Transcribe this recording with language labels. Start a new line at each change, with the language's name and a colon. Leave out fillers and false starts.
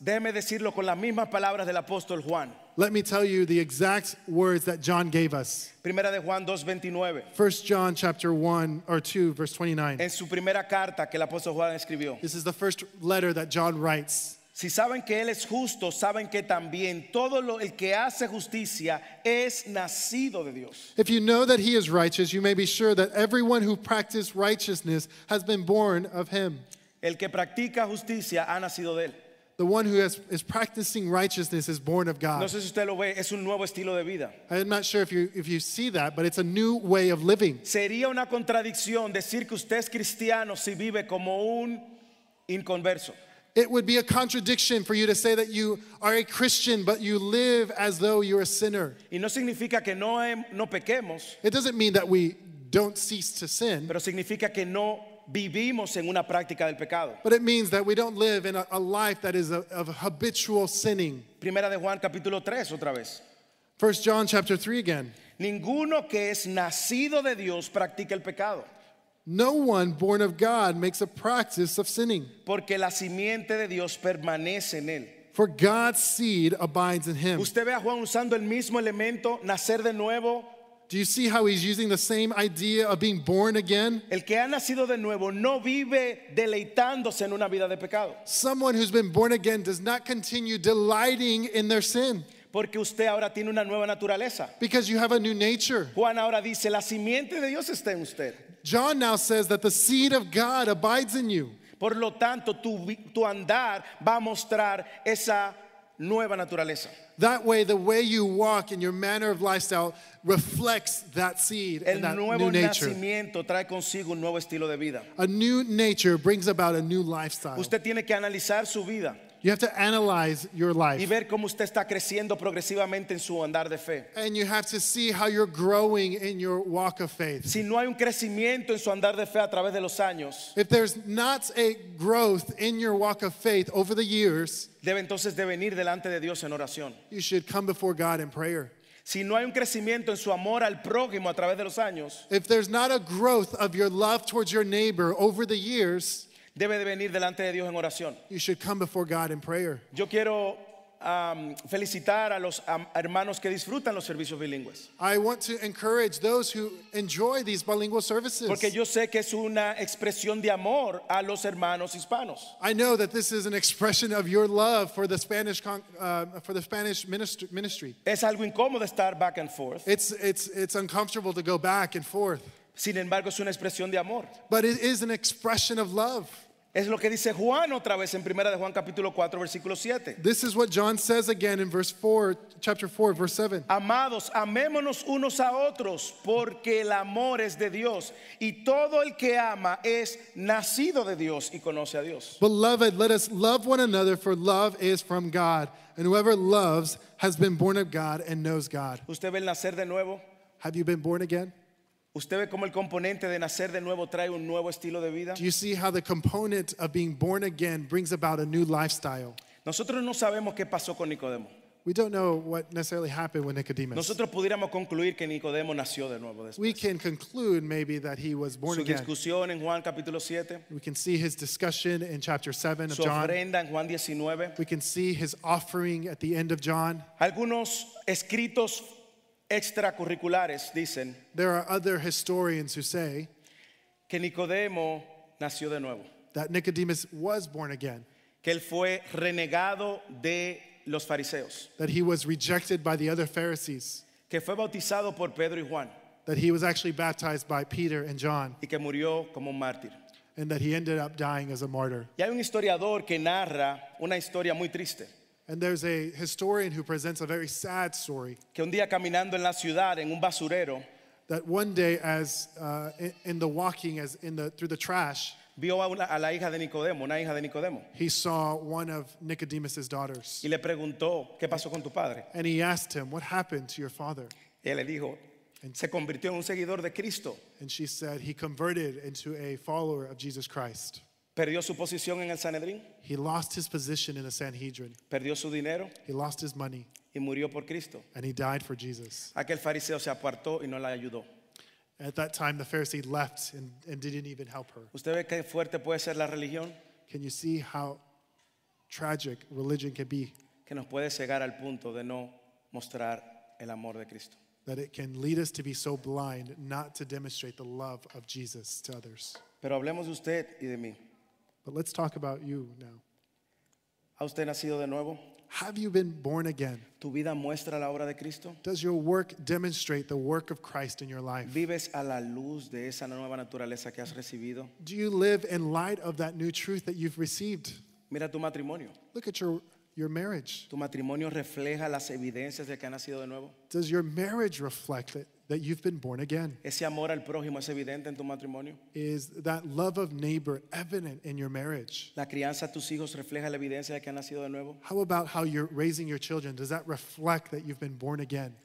Spanish: Déjeme decirlo con las mismas palabras del apóstol Juan.
English: Let me tell you the exact words that John gave us.
Spanish: Primera de Juan 2:29.
English: 1 John chapter 1 or 2 verse 29.
Spanish: En su primera carta que el apóstol Juan escribió.
English: This is the first letter that John writes.
Spanish: Si saben que él es justo, saben que también todo lo el que hace justicia es nacido de Dios.
English: If you know that he is righteous, you may be sure that everyone who practices righteousness has been born of him.
Spanish: El que practica justicia ha nacido de él.
English: The one who is practicing righteousness is born of God.
Spanish: No sé si usted lo ve, es un nuevo estilo de vida.
English: I'm not sure if you see that, but it's a new way of living.
Spanish: Sería una contradicción decir que usted es cristiano si vive como un inconverso.
English: It would be a contradiction for you to say that you are a Christian, but you live as though you're a sinner.
Spanish: Y no significa que no pequemos.
English: It doesn't mean that we don't cease to sin.
Spanish: Pero significa que no vivimos en una práctica del pecado.
English: But it means that we don't live in a life that is of habitual sinning.
Spanish: Primera de Juan capítulo 3 otra vez.
English: 1 John chapter 3 again.
Spanish: Ninguno que es nacido de Dios practica el pecado.
English: No one born of God makes a practice of sinning.
Spanish: Porque la simiente de Dios permanece en él.
English: For God's seed abides in him.
Spanish: ¿Usted ve a Juan usando el mismo elemento, nacer de nuevo?
English: Do you see how he's using the same idea of being born again?
Spanish: El que ha nacido de nuevo no vive deleitándose en una vida de pecado.
English: Someone who's been born again does not continue delighting in their sin.
Spanish: Porque usted ahora tiene una nueva naturaleza.
English: Because you have a new nature.
Spanish: Juan ahora dice, la simiente de Dios está en usted.
English: John now says that the seed of God abides in you.
Spanish: Por lo tanto, tu andar va a mostrar esa nueva naturaleza.
English: That way, the way you walk and your manner of lifestyle reflects that seed
Spanish: el
English: and that
Spanish: nuevo
English: new nature.
Spanish: Nacimiento trae consigo un nuevo estilo de vida.
English: A new nature brings about a new lifestyle.
Spanish: Usted tiene que analizar su vida.
English: You have to analyze your life.
Spanish: Y ver cómo usted está creciendo progresivamente en su andar de fe.
English: And you have to see how you're growing in your walk of faith.
Spanish: Si no hay un crecimiento en su andar de fe a través de los años,
English: if there's not a growth in your walk of faith over the years,
Spanish: debe entonces de venir delante de Dios en oración.
English: You should come before God in prayer.
Spanish: Si no hay un crecimiento en su amor al prójimo a través de los años,
English: if there's not a growth of your love towards your neighbor over the years,
Spanish: debe de venir delante de Dios en oración.
English: You should come before God in prayer.
Spanish: Yo quiero felicitar a los hermanos que disfrutan los servicios bilingües.
English: I want to encourage those who enjoy these bilingual services.
Spanish: Porque yo sé que es una expresión de amor a los hermanos hispanos.
English: I know that this is an expression of your love for the Spanish ministry.
Spanish: Es algo incómodo estar
English: back and forth. It's uncomfortable to go back and forth.
Spanish: Sin embargo, es una expresión de amor.
English: But it is an expression of love.
Spanish: Es lo que dice Juan otra vez en Primera de Juan capítulo 4 versículo 7.
English: This is what John says again in verse 4, chapter 4, verse 7.
Spanish: Amados, amémonos unos a otros porque el amor es de Dios y todo el que ama es nacido de Dios y conoce a Dios.
English: Beloved, let us love one another for love is from God, and whoever loves has been born of God and knows God.
Spanish: ¿Usted ve el nacer de nuevo?
English: Have you been born again?
Spanish: ¿Usted ve cómo el componente de nacer de nuevo trae un nuevo estilo de vida?
English: Do you see how the component of being born again brings about a new lifestyle?
Spanish: Nosotros no sabemos qué pasó con Nicodemo.
English: We don't know what necessarily happened with Nicodemus.
Spanish: Nosotros pudiéramos concluir que Nicodemo nació de nuevo después.
English: We can conclude maybe that he was born again.
Spanish: Su discusión en Juan capítulo 7.
English: We can see his discussion in chapter 7 of
Spanish: John. Su ofrenda en Juan 19.
English: We can see his offering at the end of John.
Spanish: Algunos escritos extracurriculares dicen,
English: there are other historians who say
Spanish: que Nicodemo nació de nuevo,
English: that Nicodemus was born again,
Spanish: que él fue renegado de los fariseos,
English: that he was rejected by the other Pharisees,
Spanish: que fue bautizado por Pedro y Juan,
English: that he was actually baptized by Peter and John,
Spanish: y que murió como un mártir,
English: and that he ended up dying as a martyr.
Spanish: Y hay un historiador que narra una historia muy triste.
English: And there's a historian who presents a very sad story.
Spanish: Que un día caminando en la ciudad, en un basurero,
English: that one day as in the walking, as in the through the trash,
Spanish: vio a la hija de Nicodemo, una hija de Nicodemo.
English: He saw one of Nicodemus's daughters.
Spanish: Y le preguntó, ¿qué pasó con tu padre?
English: And he asked him, what happened to your father?
Spanish: Y él le dijo, se convirtió en un seguidor de Cristo.
English: And she said, he converted into a follower of Jesus Christ.
Spanish: Perdió su posición en el Sanedrín.
English: He lost his position in the Sanhedrin.
Spanish: Perdió su dinero.
English: He lost his money.
Spanish: Y murió por Cristo.
English: And he died for Jesus.
Spanish: Aquel fariseo se apartó y no la ayudó.
English: At that time, the Pharisee left and didn't even help her.
Spanish: ¿Usted ve qué fuerte puede ser la religión?
English: Can you see how tragic religion can be?
Spanish: Que nos puede cegar al punto de no mostrar el amor de Cristo.
English: That it can lead us to be so blind not to demonstrate the love of Jesus to others.
Spanish: Pero hablemos de usted y de mí.
English: But let's talk about you now.
Spanish: ¿Ha usted nacido de nuevo?
English: Have you been born again?
Spanish: ¿Tu vida muestra la obra de Cristo?
English: Does your work demonstrate the work of Christ in your life?
Spanish: ¿Vives a la luz de esa nueva naturaleza que has recibido?
English: Do you live in light of that new truth that you've received?
Spanish: Mira tu matrimonio.
English: Look at your marriage.
Spanish: ¿Tu matrimonio refleja las evidencias de que has nacido de nuevo?
English: Does your marriage reflect it? That you've been born again.
Spanish: ¿Ese amor al prójimo es evidente en tu matrimonio?
English: Is that love of neighbor evident in your marriage?
Spanish: ¿La crianza de tus hijos refleja la evidencia de que han nacido de nuevo?
English: How about how you're raising your children? Does that reflect that you've been born again?